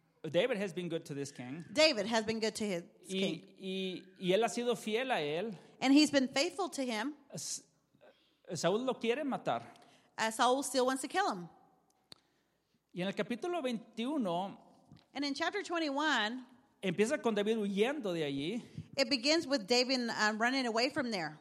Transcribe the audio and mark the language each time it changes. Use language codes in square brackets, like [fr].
[en] David has been good to this king. David has been good to his [es] king. Y él ha sido fiel a él. [en] And he's been faithful to him. [es] Saúl lo quiere matar. [en] Saul still wants to kill him. [es] Y en el capítulo 21. [en] And in chapter 21. [es] Empieza con David huyendo de allí. [en] It begins with David running away from there.